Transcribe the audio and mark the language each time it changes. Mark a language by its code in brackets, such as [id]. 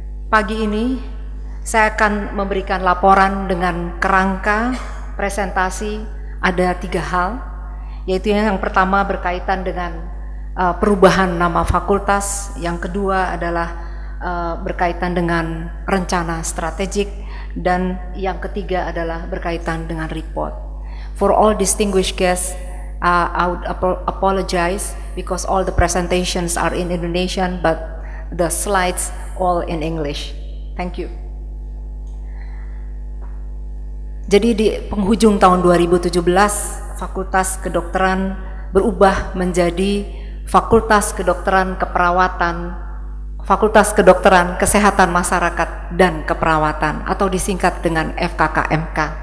[id] Pagi ini saya akan memberikan laporan dengan kerangka presentasi ada tiga hal, yaitu yang pertama berkaitan dengan perubahan nama fakultas, yang kedua adalah berkaitan dengan rencana strategik, dan yang ketiga adalah berkaitan dengan report. [en] For all distinguished guests, I would apologize because all the presentations are in Indonesian, but the slides all in English. Thank you. [id] Jadi di penghujung tahun 2017, Fakultas Kedokteran berubah menjadi Fakultas Kedokteran Keperawatan, Fakultas Kedokteran Kesehatan Masyarakat dan Keperawatan, atau disingkat dengan FKKMK.